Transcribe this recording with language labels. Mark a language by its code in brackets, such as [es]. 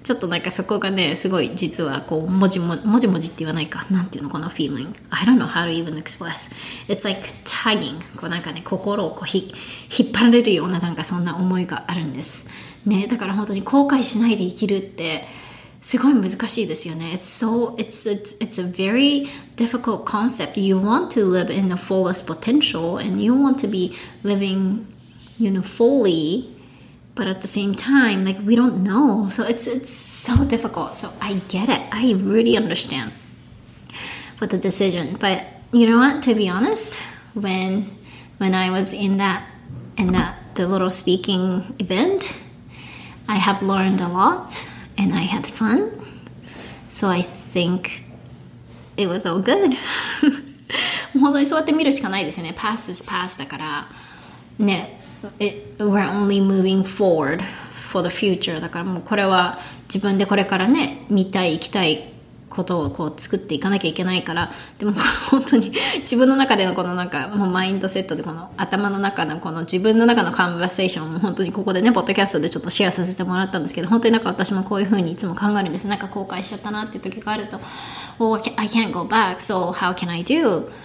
[ja] ちょっとなんかそこがね、すごい実はこう、もじもじって言わないか。なんていうの、この [en] feeling。I don't know how to even express. It's like tagging. [ja] こうなんかね、心をこう引っ張られるような、なんかそんな思いがあるんです。ね、だから本当に後悔しないで生きるって、すごい難しいですよね。 [en] It's a very difficult concept. You want to live in the fullest potential and you want to be living... you know, fully, but at the same time, like, we don't know. So it's so difficult. So I get it. I really understand for the decision. But you know what? To be honest, when I was in that the little speaking event, I have learned a lot and I had fun. So I think it was all good. [ja] 本当にそうやって見るしかないですよね。 [en] Past is past [ja] だからね。 [en] We're only moving forward for the future. [ja] だからもうこれは自分でこれからね、見たい、行きたいことをこう作っていかなきゃいけないから、でも本当に自分の中でのこのなんかもうマインドセットで、この頭の中のこの自分の中のカンバセーションも本当にここでね、ポッドキャストでちょっとシェアさせてもらったんですけど、本当になんか私もこういうふうにいつも考えるんです。なんか後悔しちゃったなっていう時があると、 [en] Oh, I can't go back, so how can I do?